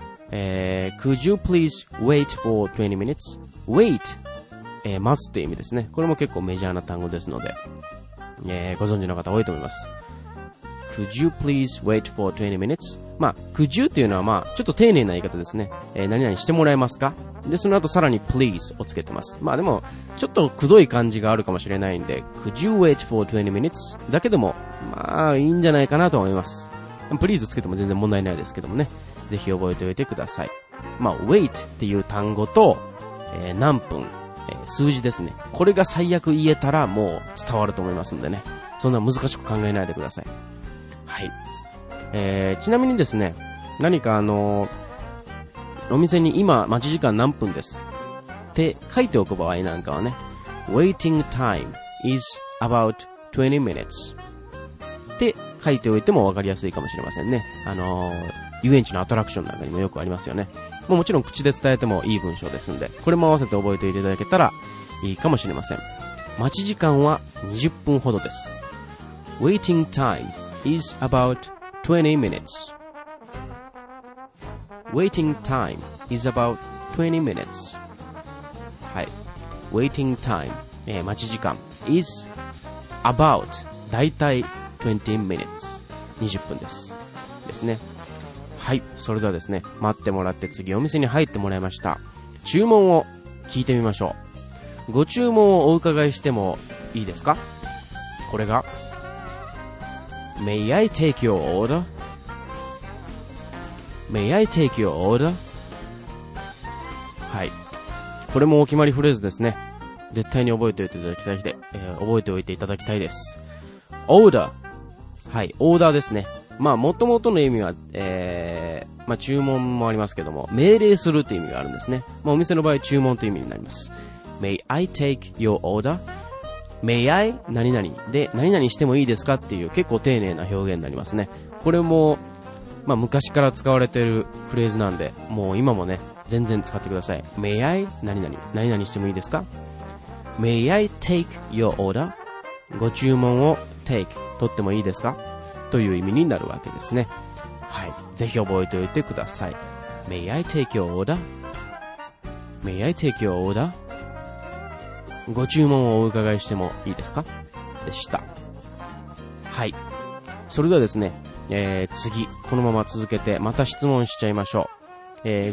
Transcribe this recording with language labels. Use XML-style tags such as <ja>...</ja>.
<en>Could you please wait for 20 minutes?</en> <ja>Wait、待つって意味ですね。これも結構メジャーな単語ですので、ご存知の方多いと思います。</ja> <en>Could you please wait for 20 minutes?</en> <ja>まあ</ja> <en>Could you</en> <ja>っていうのはまあちょっと丁寧な言い方ですね。何々してもらえますか。でその後さらに please をつけてます。まあでもちょっとくどい感じがあるかもしれないんで、</ja> <en>Could you wait for 20 minutes?</en> <ja>だけでもまあいいんじゃないかなと思います。Please つけても全然問題ないですけどもね、ぜひ覚えておいてください。まあ wait っていう単語と、何分数字ですね。これが最悪言えたらもう伝わると思いますんでね。そんな難しく考えないでください。はい。ちなみにですね、何かお店に今待ち時間何分ですって書いておく場合なんかはね、</ja> <en>Waiting time is about 20 minutes</en> <ja>って書いておいてもわかりやすいかもしれませんね。遊園地のアトラクションなんかにもよくありますよね。もちろん口で伝えてもいい文章ですんで、これも合わせて覚えていただけたらいいかもしれません。待ち時間は20分ほどです。</ja> <en>Waiting time is about 20 minutes. Waiting time is about 20 minutes.</en> <ja>はい。</ja> <en>Waiting time、</en> <ja>待ち時間</ja> <en>is about</en> <ja>だいたい</ja> <en>20 minutes。</en> <ja>20分です。ですね。はい、それではですね、待ってもらって次お店に入ってもらいました。注文を聞いてみましょう。ご注文をお伺いしてもいいですか？これが</ja> <en>May I take your order? May I take your order?</en> <ja>はい、これもお決まりフレーズですね。絶対に覚えておいていただきたいで、覚えておいていただきたいです。 Order、 はい、オーダーですね。まあ、元々の意味は、まあ、注文もありますけども、命令するという意味があるんですね。まあ、お店の場合、注文という意味になります。</ja> <en>May I take your order? May I</en> <ja>何々で、何々してもいいですかっていう結構丁寧な表現になりますね。これも、まあ、昔から使われているフレーズなんで、もう今もね、全然使ってください。</ja> <en>May I</en> <ja>何々、何々してもいいですか ?</ja> <en>May I take your order?</en> <ja>ご注文を take、取ってもいいですかという意味になるわけですね。はい、ぜひ覚えておいてください。</ja> <en>May I take your order? May I take your order?</en> <ja>ご注文をお伺いしてもいいですかでした。はい、それではですね、次このまま続けてまた質問しちゃいましょう。</ja>